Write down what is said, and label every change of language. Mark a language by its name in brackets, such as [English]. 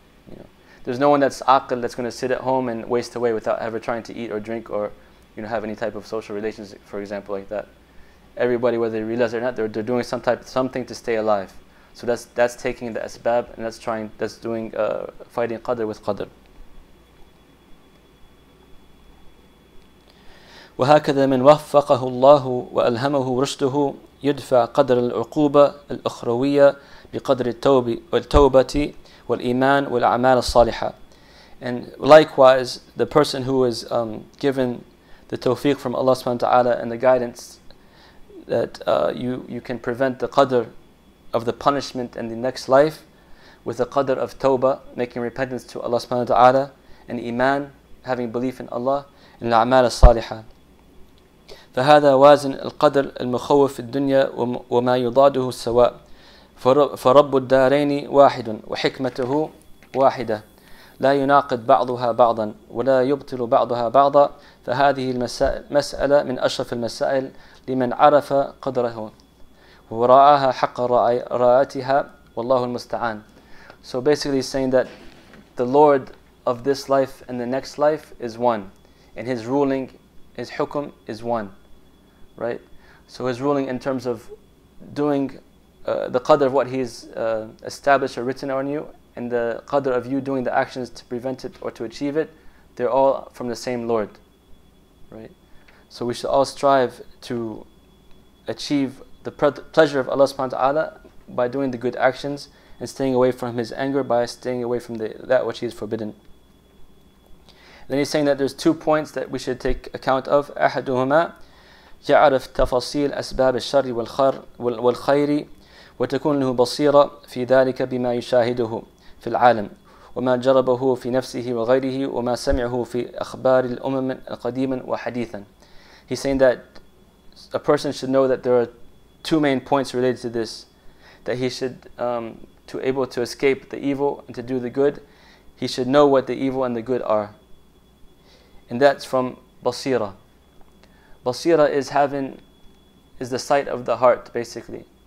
[English] You know, there's no one that's aqil that's going to sit at home and waste away without ever trying to eat or drink or, you know, have any type of social relations, for example, like that. Everybody, whether they realize it or not, they're doing some type something to stay alive. So that's taking the asbab, and that's doing fighting qadr with qadr. [Arabic] وهكذا من وفقه الله وألهمه رشده يدفع قدر العقوبة الأخروية بقدر التوبة والتوبة والإيمان والأعمال الصالحة. [English] And likewise, the person who is given the tawfiq from Allah subhanahu wa ta'ala and the guidance that you can prevent the qadr of the punishment in the next life with the qadr of tawbah, making repentance to Allah subhanahu wa ta'ala, and iman, having belief in Allah, and al-amal as-saliha. [Arabic] فهذا وازن القدر المخوف في الدنيا وما يضاده سواء فرب الدارين واحد وحكمته واحدة لا يناقض بعضها بعضا ولا يبطل بعضها بعضا فهذه المسألة من أشرف المسائل لمن عرف قدره ورآها حق رآتها والله المستعان. [English] So basically saying that the Lord of this life and the next life is one, and his ruling, his hukum is one, right? So his ruling in terms of doing the qadr of what he's established or written on you, and the qadr of you doing the actions to prevent it or to achieve it, they're all from the same Lord, right? So we should all strive to achieve the pleasure of Allah subhanahu wa ta'ala by doing the good actions and staying away from his anger by staying away from that which he has forbidden. Then he's saying that there's two points that we should take account of. [Arabic] أحدهما يعرف تفاصيل أسباب الشر والخير وتكون له بصيرة في ذلك بما يشاهده في العالم وما جربه في نفسه وغيره وما سمعه في أخبار الأمم قديما وحديثا. [English] He's saying that a person should know that there are two main points related to this, that he should to able to escape the evil and to do the good, he should know what the evil and the good are. And that's from basira. Basira is having, is the sight of the heart, basically.